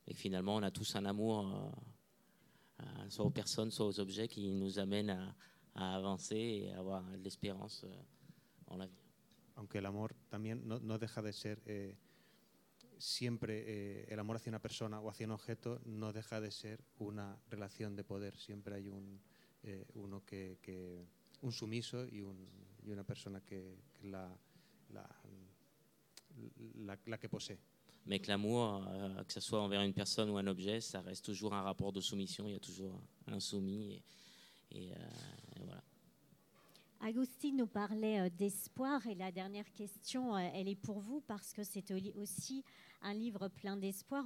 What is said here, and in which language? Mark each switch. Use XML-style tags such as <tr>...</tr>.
<fr>Et finalement, on a tous un amour soit aux personnes, soit aux objets qui nous amène à avancer et à avoir l'espérance en l'avenir.</fr> <es>Aunque el amor también no deja de ser siempre el amor hacia una persona o hacia un objeto no deja de ser una relación de poder. Siempre hay uno que un sumiso y una persona que la que posee.</es> <fr>Mais que l'amour, que ce soit envers une personne ou un objet, ça reste toujours un rapport de soumission. Il y a toujours un soumis et voilà. Agustín nous parlait d'espoir et la dernière question, elle est pour vous parce que c'est aussi un livre plein d'espoir.</fr>